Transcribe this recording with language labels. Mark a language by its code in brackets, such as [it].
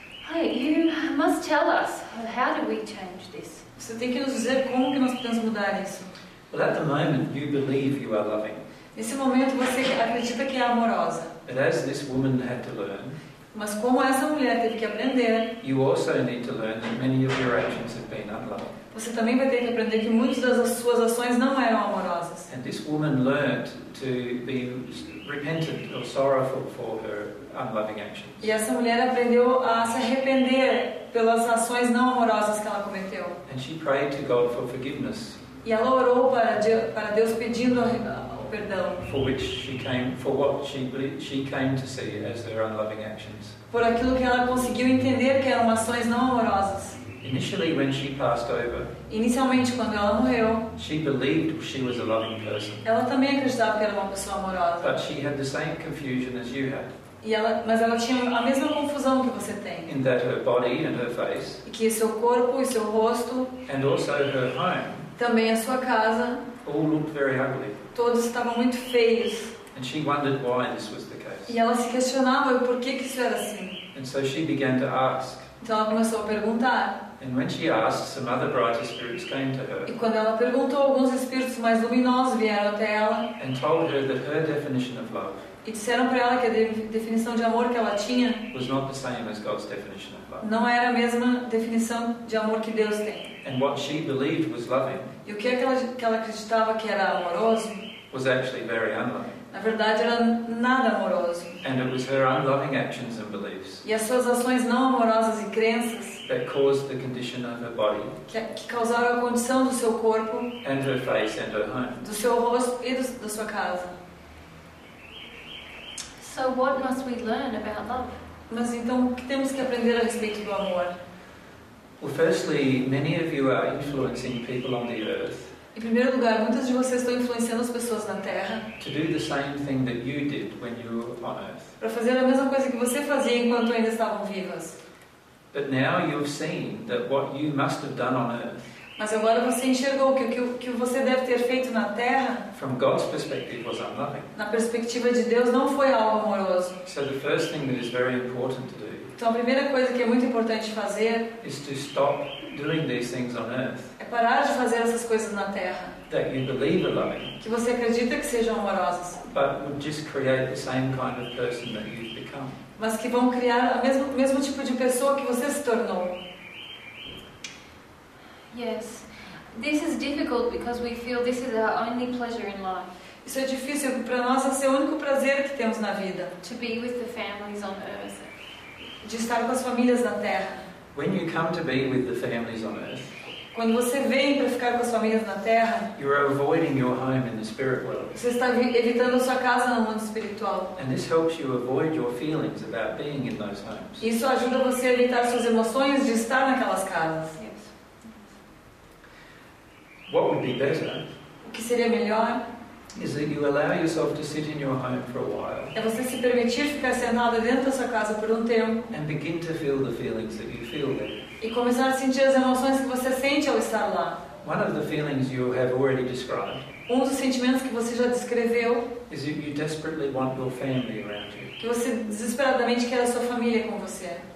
[en] Hey, you must tell us, how do we change this? [pt] Você tem que nos dizer como que nós podemos mudar isso. [en] Well, at the moment, you believe you are loving. [pt] Nesse momento, você acredita que é amorosa. [en] But as this woman had to learn, [pt] mas como essa mulher teve que aprender, [en] you also need to learn that many of your actions have been unloving. [pt] Você também vai ter que aprender que muitas das suas ações não eram amorosas. [en] And this woman learned to be repentant or sorrowful for her unloving actions. [pt] E essa mulher aprendeu a se arrepender pelas ações não amorosas que ela cometeu. [en] And she prayed to God for forgiveness. [pt] E ela orou para Deus pedindo o perdão. [en] For which she came, for what she came to see as her unloving actions. [pt] Por aquilo que ela conseguiu entender que eram ações não amorosas. [en] Initially, when she passed over, [pt] inicialmente, quando ela morreu, [en] she believed she was a loving person. [pt] Ela também acreditava que era uma pessoa amorosa. [en] But she had the same confusion as you had. [pt] Mas ela tinha a mesma confusão que você tem. [en] In that her body and her face, [pt] que seu corpo e seu rosto, [en] and also her home, [pt] também a sua casa, [en] all looked very ugly. [pt] Todos estavam muito feios. [en] And she wondered why this was the case. [pt] E ela se questionava por que isso era assim. [en] And so she began to ask. [pt] Então ela começou a perguntar. [en] And when she asked, some other brighter spirits came to her. [pt] E quando ela perguntou, alguns espíritos mais luminosos vieram até ela. [en] And told her that her definition of love, [pt] e disseram para ela que a definição de amor que ela tinha, [en] was not the same as God's definition of love. [pt] Não era a mesma definição de amor que Deus tem. [en] And what she believed was loving, [pt] e o que ela acreditava que era amoroso, [en] was actually very unloving. [pt] Na verdade, era nada amoroso. [en] And it was her unloving actions and beliefs, [pt] e as suas ações não amorosas e crenças, [en] that caused the condition of her body, [pt] que causaram a condição do seu corpo, [en] and her face and her home, [pt] do seu rosto e da sua casa. [en] So what must we learn about love? [pt] Mas então, o que temos que aprender a respeito do amor? [en] Well, firstly, many of you are influencing people on the earth. [pt] Em primeiro lugar, muitas de vocês estão influenciando as pessoas na Terra para fazer a mesma coisa que você fazia enquanto ainda estavam vivas. [en] But now you've seen that what you must have done on earth, [pt] mas agora você enxergou que o que você deve ter feito na Terra, [en] from God's perspective, was unloving. [pt] Na perspectiva de Deus, não foi algo amoroso. [en] So the first thing that is very important to do, [pt] então a primeira coisa que é muito importante fazer, [en] is to stop doing these things on earth, [pt] é parar de fazer essas coisas na Terra, [en] that you believe are loving, [pt] que você acredita que sejam amorosas, [en] but would just create the same kind of person that you've become. [pt] Mas que vão criar o mesmo tipo de pessoa que você se tornou. [en] Yes, this is difficult because we feel this is our only pleasure in life. [pt] Isso é difícil para nós, esse é o único prazer que temos na vida. [en] To be with the families on earth. [pt] De estar com as famílias na Terra. [en] When you come to be with the families on earth, [pt] quando você vem para ficar com as famílias na Terra, [en] you're avoiding your home in the spirit world. [pt] Você está evitando sua casa no mundo espiritual. [en] And this helps you avoid your feelings about being in those homes. [pt] Isso ajuda você a evitar suas emoções de estar naquelas casas. [en] Yes. What would be better, [pt] o que seria melhor, [en] is that you allow yourself to sit in your home for a while, [pt] é você se permitir ficar sentado dentro da sua casa por tempo, [en] and begin to feel the feelings that you feel there. [pt] E começar a sentir as emoções que você sente ao estar lá. [en] One of the feelings you have already described, [pt] um dos sentimentos que você já descreveu, [en] is that you desperately want your family around you. [pt] Que você desesperadamente quer a sua família com você.